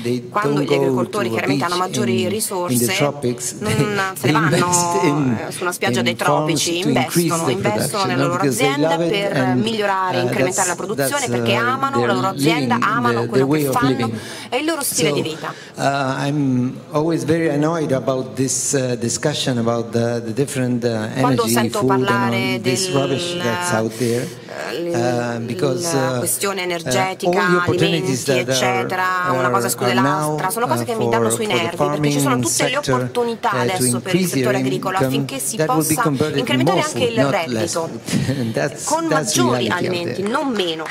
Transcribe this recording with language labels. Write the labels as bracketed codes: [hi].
[it] Quando gli agricoltori chiaramente hanno maggiori risorse, non se ne vanno su una spiaggia dei tropici, investono nelle loro aziende per migliorare, incrementare la produzione, perché amano la loro azienda, amano quello che fanno, è il loro stile di vita. [en] I'm always very annoyed about this discussion about the different energy, food and rubbish that's out there. Because, [it] la questione energetica, alimenti eccetera, una cosa scusa l'altra, sono cose che mi danno sui nervi, perché ci sono tutte le opportunità adesso per il settore agricolo affinché si possa incrementare anche il reddito con maggiori alimenti, non meno.